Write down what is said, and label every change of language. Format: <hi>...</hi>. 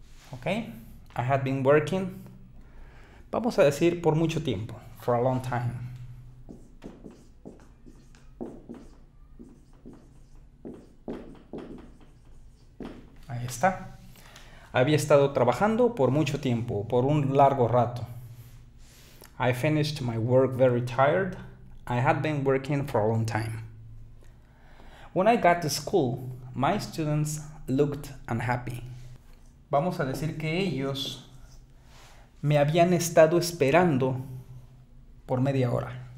<en>Ok, I had been working.</en> <es>Vamos a decir por mucho tiempo.</es> <en>For a long time.</en> <es>Ahí está. había estado trabajando por mucho tiempo, por un largo rato.</es> <en>I finished my work very tired. I had been working for a long time. When I got to school, my students looked unhappy.</en> <es>Vamos a decir que ellos me habían estado esperando por media hora.</es>